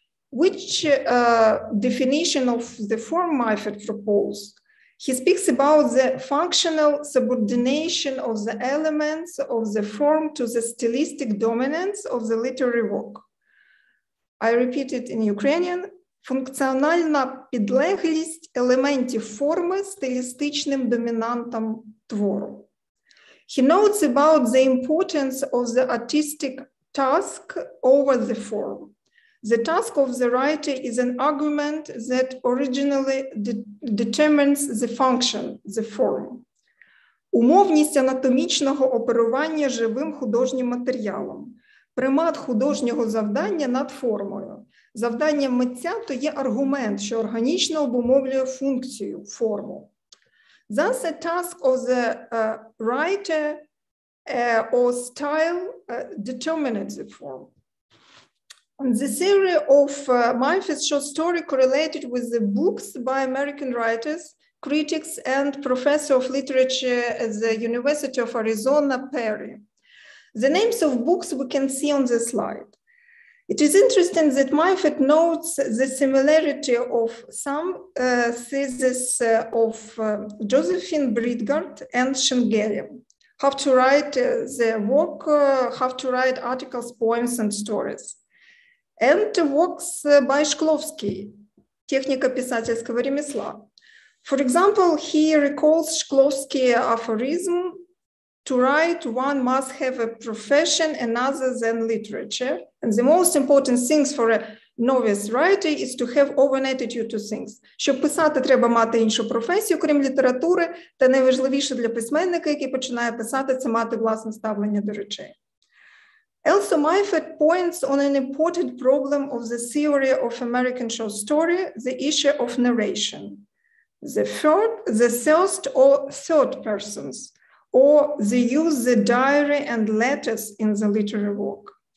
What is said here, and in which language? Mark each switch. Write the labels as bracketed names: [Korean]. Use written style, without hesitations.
[English] Which definition of the form Maifit proposed? He speaks about the functional subordination of the elements of the form to the stylistic dominance of the literary work. I repeat it in Ukrainian. [Ukrainian] Функціональна підлеглість елементів форми стилістичним домінантам твору. [English] He notes about the importance of the artistic task over the form. The task of the writer is an argument that originally determines the function, the form. [Ukrainian] Умовність анатомічного оперування живим художнім матеріалом. Примат художнього завдання над формою. Завдання митця – то є аргумент, що органічно обумовлює функцію, форму. [English] Thus, a task of the writer or style determines the form. And the theory of Maifit's short story correlated with the books by American writers, critics, and professor of literature at the University of Arizona, Perry. The names of books we can see on the slide. It is interesting that Maifit notes the similarity of some theses of Josephine Bridgard and Schengelian. Have to write the work, have to write articles, poems, and stories. And works by Shklovsky, [Russian] Техніка писательского ремесла. [English] For example, he recalls Shklovsky's aphorism, "To write, one must have a profession another than literature. And the most important things for a novice writer is to have open attitude to things." [Ukrainian] Щоб писати, треба мати іншу професію, крім літератури, та найважливіше для письменника, який починає писати, це мати власне ставлення до речей. [English] Also, Maifit points on an important problem of the theory of American short story, the issue of narration. The first or third persons, or they use the diary and letters in the literary work.